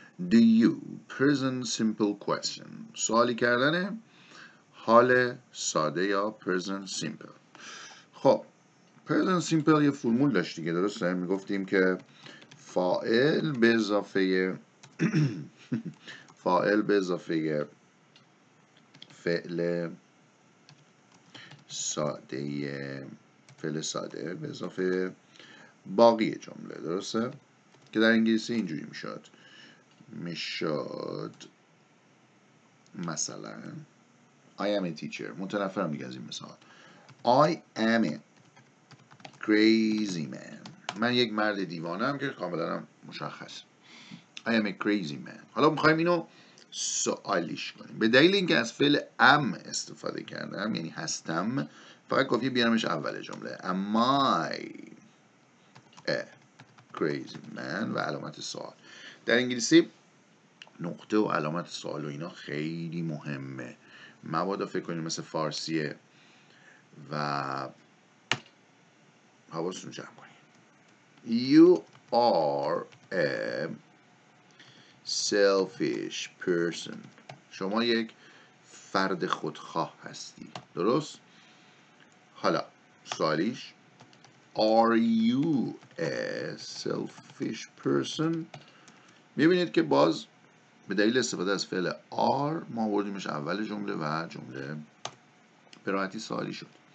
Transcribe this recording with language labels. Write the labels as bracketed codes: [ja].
[en] Do you present simple question؟ [fa] سوالی کردن حال ساده یا [en] present simple. [fa] خب [en] present simple [fa] یه فرمول داشت دیگه، درسته؟ میگفتیم که فاعل به اضافه فاعل به اضافه فعل ساده، فعل ساده به اضافه باقی جمله، درسته؟ که در انگلیسی اینجوری میشد، میشد مثلا [en] I am a teacher. [fa] متنفرم دیگه از این مثال. [en] I am a crazy man. [fa] من یک مرد دیوانه هم که کاملا مشخص. [en] I am a crazy man. [fa] حالا میخوایم اینو سوالیش کنیم. به دلیل اینکه از فعل am استفاده کردم، یعنی هستم، فقط کافیه بیارمش اول جمله. [en] Am I a crazy man [fa] و علامت سوال. در انگلیسی نقطه و علامت سوال و اینا خیلی مهمه. مبادا فکر کنیم مثل فارسیه و حواستون جمع کنیم. [en] You are a selfish person. [fa] شما یک فرد خودخواه هستی، درست؟ حالا سوالیش [en] Are you a selfish person؟ [fa] میبینید که باز به دلیل استفاده از فعل are ما آوردیمش اول جمله و جمله به راحتی سوالی شد.